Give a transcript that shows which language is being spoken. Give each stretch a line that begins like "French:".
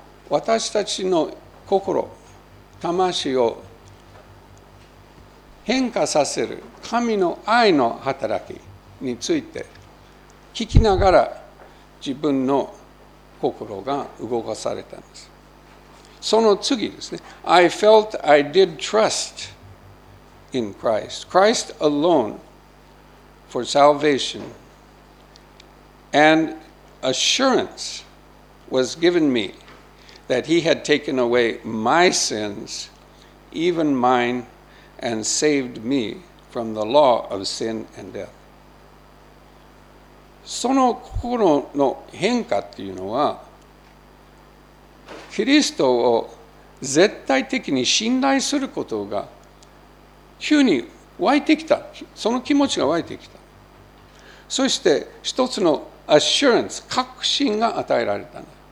Japanese: 私たちの心、魂を変化させる神の愛の働きについて聞きながら自分の心が動かされたんです。その次ですね。
English: I felt I did trust in Christ, Christ alone for salvation, and assurance was given me that he had taken away my sins, even mine,and saved me from the law of sin and death.
Japanese: その心の変化っていうのは、キリストを絶対的に信頼することが急に湧いてきた。その気持ちが湧いてきた。そして一つの assurance、確信が与えられた。